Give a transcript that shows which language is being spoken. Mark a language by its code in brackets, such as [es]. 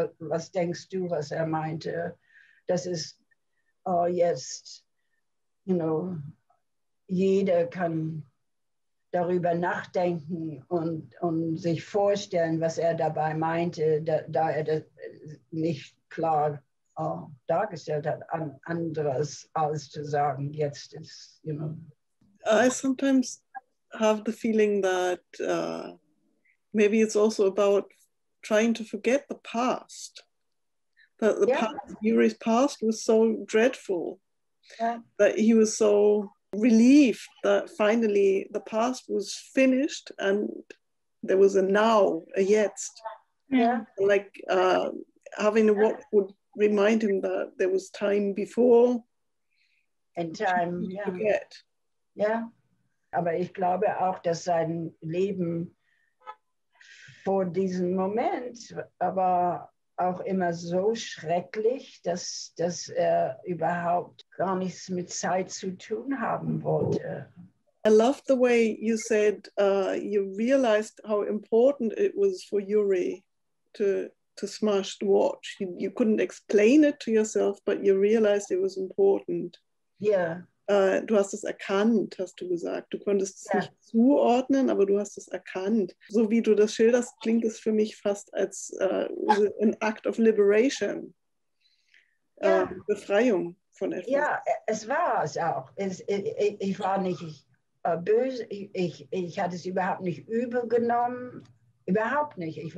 [de] Was denkst du, was er meinte? Das ist jetzt, jeder kann darüber nachdenken und sich vorstellen, was er dabei meinte, da er das nicht klar dargestellt hat, anderes als zu sagen, jetzt ist, [en] I sometimes have the feeling that maybe it's also about trying to forget the past. That the past, Yuri's past was so dreadful that he was so relieved that finally the past was finished and there was a now, a jetzt. Yeah. Like having a watch would remind him that there was time before and time to forget. Yeah. [de] Aber ich glaube auch, dass sein Leben vor diesem Moment war auch immer so schrecklich, dass er überhaupt gar nichts mit Zeit zu tun haben wollte. [en] I love the way you said you realized how important it was for Yuri to smash the watch. You couldn't explain it to yourself, but you realized it was important. Yeah. [de] Du hast es erkannt, hast du gesagt. Du konntest es nicht zuordnen, aber du hast es erkannt. So wie du das schilderst, klingt es für mich fast als [en] an act of liberation. [de] Befreiung von etwas. Ja, es war es auch. Ich war nicht böse, ich hatte es überhaupt nicht übel genommen, überhaupt nicht.